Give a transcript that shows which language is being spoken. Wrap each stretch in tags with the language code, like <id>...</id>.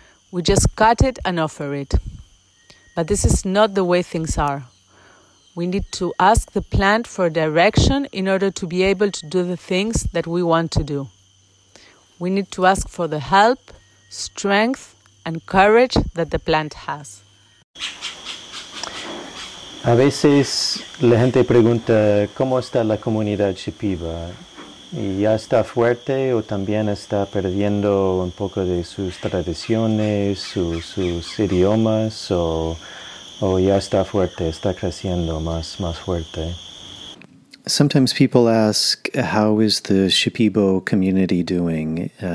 <en>We just cut it and offer it. But this is not the way things are. We need to ask the plant for direction in order to be able to do the things that we want to do. We need to ask for the help, strength, and courage that the plant has.</en> <es>A veces la gente pregunta cómo está la comunidad Shipibo, y ya está fuerte o también está perdiendo un poco de sus tradiciones, sus idiomas, o ya está fuerte, está creciendo más fuerte.</es> <en>Sometimes people ask, how is the Shipibo community doing?</en>